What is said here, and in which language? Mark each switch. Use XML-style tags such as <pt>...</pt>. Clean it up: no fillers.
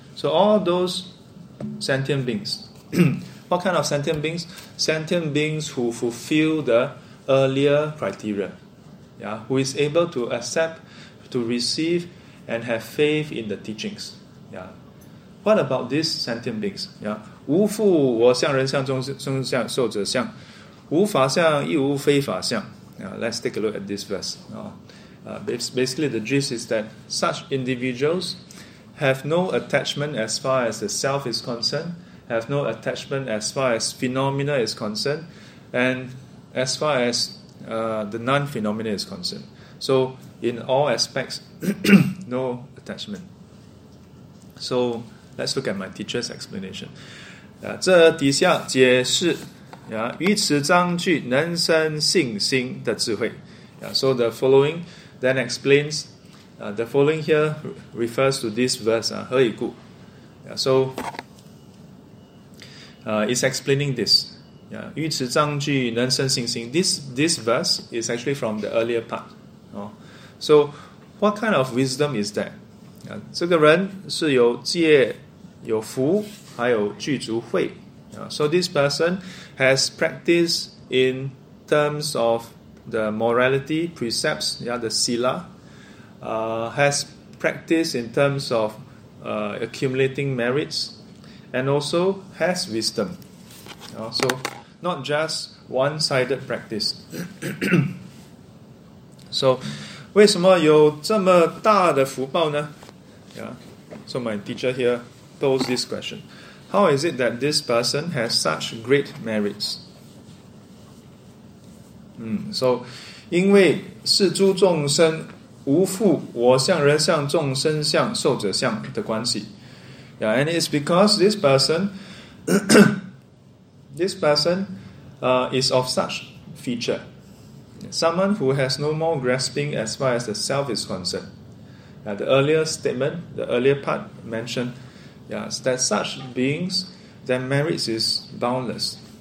<en>So all those sentient beings, what kind of sentient beings? Sentient beings who fulfill the earlier criteria, yeah, who is able to accept, to receive, and have faith in the teachings. Yeah, what about these sentient beings? Yeah.</en> <zh>无复我相、人相、众生相、寿者相，无法相亦无非法相。</zh> <en>Let's take a look at this verse. Basically, the gist is that such individuals have no attachment as far as the self is concerned, have no attachment as far as phenomena is concerned, and as far as the non-phenomena is concerned. So, in all aspects, no attachment. So, let's look at my teacher's explanation.</en> <zh>这底下解释于此章句能生信心的智慧。</zh> <en>So the following then explains, the following here refers to this verse,</en> <zh>何以故?</zh> <en>So it's explaining this.</en> <zh>于此章句能生信心.</zh> <en>This verse is actually from the earlier part. So what kind of wisdom is that?</en> <zh>这个人是有戒、有福还有具足慧。</zh> <en>So this person has practiced in terms of the morality precepts, yeah, the sila, has practiced in terms of accumulating merits, and also has wisdom. So not just one-sided practice.</en> <zh>So 为什么有这么大的福报呢?</zh> <en>Yeah. So my teacher here posed this question. How is it that this person has such great merits?</en> <zh>So, 因为是诸众生无复我相、人相、众生相、寿者相的关系。</zh> <en>Yeah, and it's because this person, this person, is of such feature. Someone who has no more grasping as far as the self is concerned. Now, the earlier statement, the earlier part mentioned, that such beings, their merits is boundless.</en>